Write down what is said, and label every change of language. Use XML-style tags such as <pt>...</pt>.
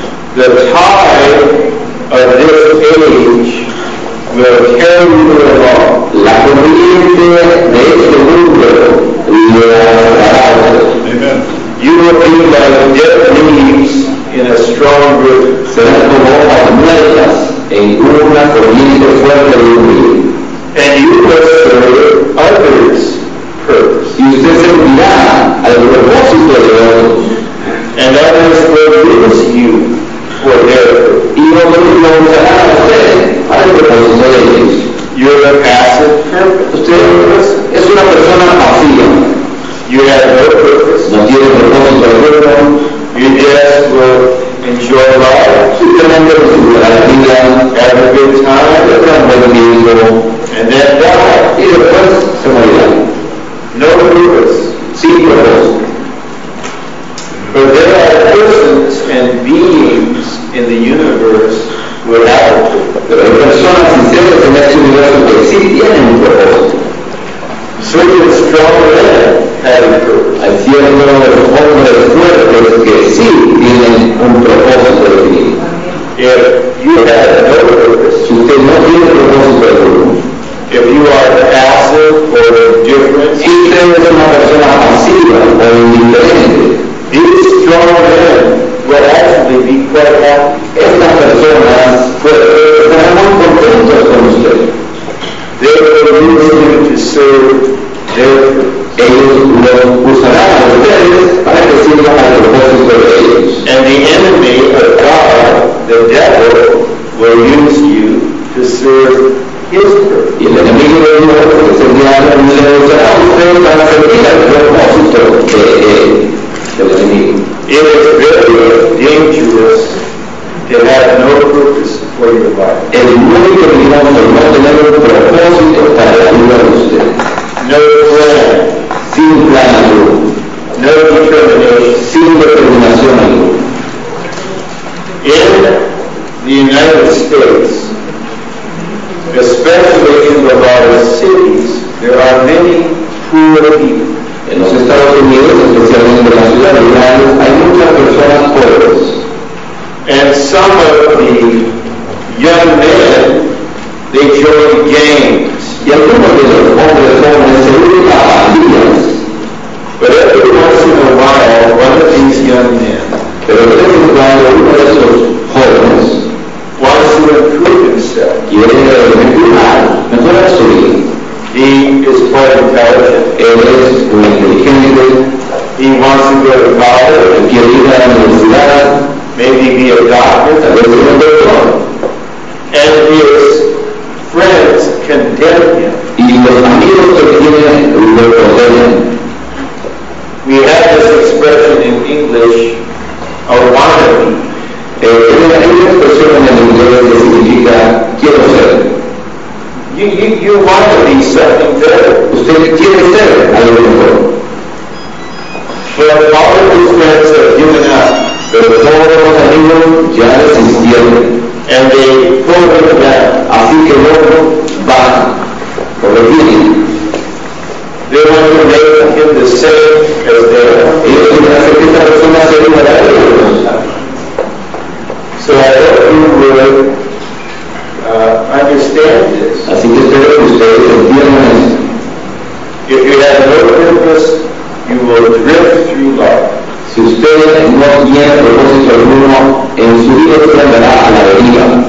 <en>The tide of this age will carry you along.</en> <es>La corriente de este mundo le va a pasar.</es> <en>You will be like dead leaves in a strong river.</en> <es>Será como hojas muertas en una corriente fuerte de un río.</es> <en>And you will serve others' purpose.</en> <es>Y usted servirá al propósito de otros.</es> <en>And others will use you for their purpose.</en> <es>Y otros lo usarán a usted para el propósito de ellos.</es> <en>You are a passive purpose.</en> <es>Usted es una persona pasiva.</es> <en>You have no purpose.</en> <es>No tiene propósito alguno.</es> <en>You just will enjoy life.</en> <es>Simplemente disfrutará la vida.</es> <en>Have a good time.</en> <es>Tendrán buen tiempo.</es> <en>And then die.</en> <es>Y después se morirá.</es> <en>No purpose.</en> <es>Sin propósito.</es> <en>But there are persons and beings in the universe without a purpose.</en> <es>Pero hay personas y seres en este universo que sí tienen un propósito.</es> <en>Certain strong men have a purpose.</en> <es>Hay ciertos hombres fuertes que sí tienen un propósito definido.</es> <en>If you have no purpose,</en> <es>si usted no tiene propósito alguno,</es> <en>if you are passive or indifferent,</en> <es>si usted es una persona pasiva o indiferente,</es> <en>these strong men will actually be quite happy.</en> <es>Estas personas estarán muy contentas con usted.</es> <en>They will use you to serve their</en> <es>ellos lo usarán a ustedes para que sirvan al propósito de ellos.</es> <en>And the enemy of God, the devil, will use you to serve his purpose.</en> <es>Y el enemigo de Dios, que es el diablo, le usará a usted para servir al propósito de él.</es> <en>It is very dangerous to have no purpose for your life.</en> <es>Es muy peligroso no tener un propósito para la vida de usted.</es> <en>No plan.</en> <es>Sin plan alguno.</es> <en>No determination.</en> <es>Sin determinación alguna.</es> <en>In the United States, especially in the largest cities, there are many poor people.</en> <es>En los Estados Unidos, especialmente en las ciudades grandes, hay muchas personas pobres.</es> <en>And some of the young men, they join gangs.</en> <es>Y algunos de los hombres jóvenes se unen a pandillas.</es> <en>But every once in a while, one of these young men,</en> <es>pero de vez en cuando uno de esos jóvenes,</es> <en>wants to improve himself.</en> <es>Quiere mejorar, mejorar su vida.</es> <en>He is quite intelligent.</en> <es>Él es muy inteligente.</es> <en>He wants to go to college.</en> <es>Quiere ir a la universidad.</es> <en>Maybe be a doctor.</en> <es>Tal vez un doctor.</es> <en>And his friends condemn him.</en> <es>Y los amigos que tienen lo condenan.</es> <en>We have this expression in English, a wannabe.</en> <es>Hay una expresión en el inglés que significa quiero ser.</es> <en>You want to be something better.</en> <es>Usted quiere ser algo mejor.</es> <en>But all of his friends have given up.</en> <es>Pero todos los amigos ya desistieron.</es> <en>And they pull him down.</en> <es>Así que luego van por lo que tienen.</es> <en>They want to make him the same as they are.</en> <es>Ellos quieren hacer que esta persona sea igual a ellos.</es> <en>So I hope you will understand this.</en> <es>Así que espero que ustedes entiendan esto.</es> <en>If you have no purpose, you will drift through life.</en> <es>Si usted no tiene propósito alguno, en su vida se andará a la deriva.</es>